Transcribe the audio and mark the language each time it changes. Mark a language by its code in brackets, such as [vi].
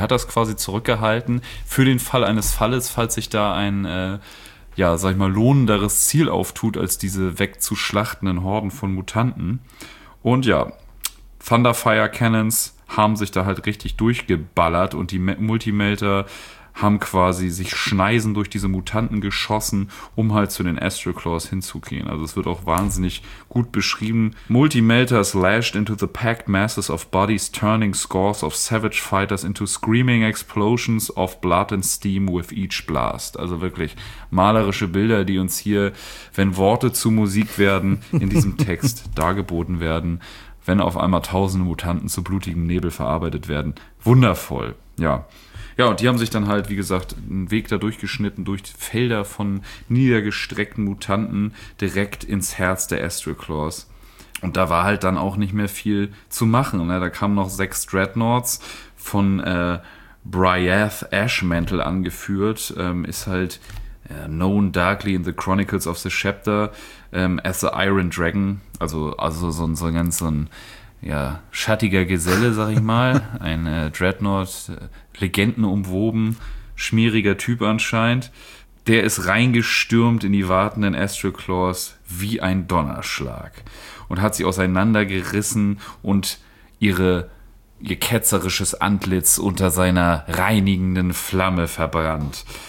[de] Der hat das quasi zurückgehalten für den Fall eines Falles, falls sich da ein, sag ich mal, lohnenderes Ziel auftut, als diese wegzuschlachtenden Horden von Mutanten. Und ja, Thunderfire Cannons haben sich da halt richtig durchgeballert und die Multimelter haben quasi sich Schneisen durch diese Mutanten geschossen, um halt zu den Astral Claws hinzugehen. Also es wird auch wahnsinnig gut beschrieben. [en] Multimelters lashed into the packed masses of bodies, turning scores of savage fighters into screaming explosions of blood and steam with each blast. [de] Also wirklich malerische Bilder, die uns hier, wenn Worte zu Musik werden, in diesem Text dargeboten werden, wenn auf einmal tausende Mutanten zu blutigem Nebel verarbeitet werden. Wundervoll, ja. Ja, und die haben sich dann halt, wie gesagt, einen Weg da durchgeschnitten, durch Felder von niedergestreckten Mutanten, direkt ins Herz der Astral Claws. Und da war halt dann auch nicht mehr viel zu machen. Ne? Da kamen noch 6 Dreadnoughts von Bryath Ashmantle angeführt. Ist halt [en] known darkly in the Chronicles of the Scepter as the Iron Dragon. [de] Also so ein ja, schattiger Geselle, sag ich mal. Ein Dreadnought, Legenden umwoben, schmieriger Typ anscheinend. Der ist reingestürmt in die wartenden Astral Claws wie ein Donnerschlag und hat sie auseinandergerissen und ihr ketzerisches Antlitz unter seiner reinigenden Flamme verbrannt.